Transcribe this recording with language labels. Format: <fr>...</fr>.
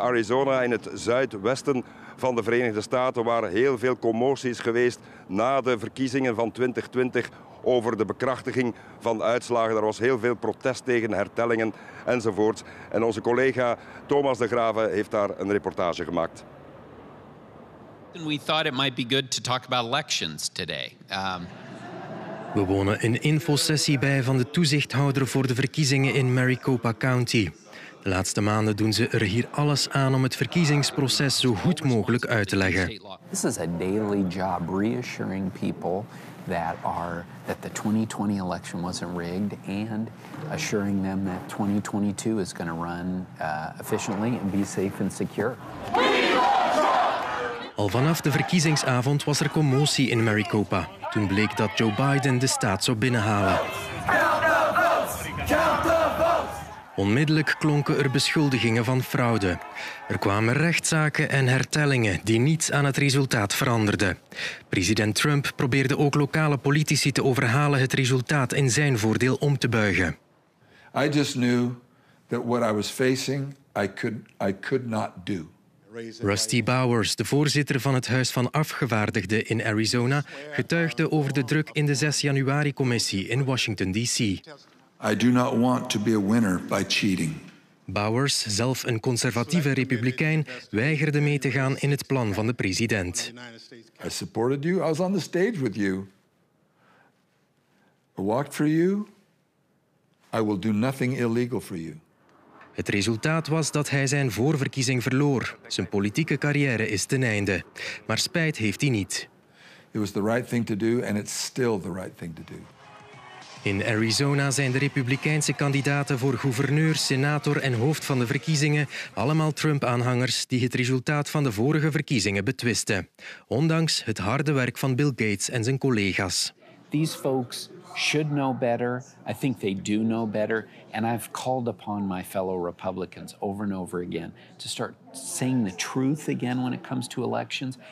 <nl>Arizona in het zuidwesten van de Verenigde Staten, waar heel veel commotie is geweest na de verkiezingen van 2020 over de bekrachtiging van uitslagen. Er was heel veel protest tegen hertellingen enzovoort. En onze collega Thomas de Grave heeft daar een reportage gemaakt.</nl> <en>And we thought it might be good to talk about elections today.</en> <nl>We wonen een infosessie bij van de toezichthouder voor de verkiezingen in Maricopa County. De laatste maanden doen ze er hier alles aan om het verkiezingsproces zo goed mogelijk uit te leggen.</nl> <en>This is a daily job reassuring people that the 2020 election wasn't rigged and assuring them that 2022 is going to run efficiently and be safe and secure.</en> <nl>Al vanaf de verkiezingsavond was er commotie in Maricopa. Toen bleek dat Joe Biden de staat zou binnenhalen. Onmiddellijk klonken er beschuldigingen van fraude. Er kwamen rechtszaken en hertellingen die niets aan het resultaat veranderden. President Trump probeerde ook lokale politici te overhalen het resultaat in zijn voordeel om te buigen.</nl> <en>I just knew that what I was facing, I could not do.</en> <nl>Rusty Bowers, de voorzitter van het Huis van Afgevaardigden in Arizona, getuigde over de druk in de 6 januari-commissie in Washington, D.C.</nl> <en>I do not want to be a winner by cheating.</en> <nl>Bowers, zelf een conservatieve republikein, weigerde mee te gaan in het plan van de president.</nl> <en>I supported you. I was on the stage with you. I walked for you. I will do nothing illegal for you.</en> <nl>Het resultaat was dat hij zijn voorverkiezing verloor. Zijn politieke carrière is ten einde. Maar spijt heeft hij niet.</nl> <en>It was the right thing to do and it's still the right thing to do.</en> <nl>In Arizona zijn de Republikeinse kandidaten voor gouverneur, senator en hoofd van de verkiezingen allemaal Trump-aanhangers die het resultaat van de vorige verkiezingen betwisten. Ondanks het harde werk van Bill Gates en zijn collega's.</nl> <en>These folks should know better. I think they do know better. And I've called upon my fellow Republicans over and over again to start saying the truth again when it comes to elections.</en>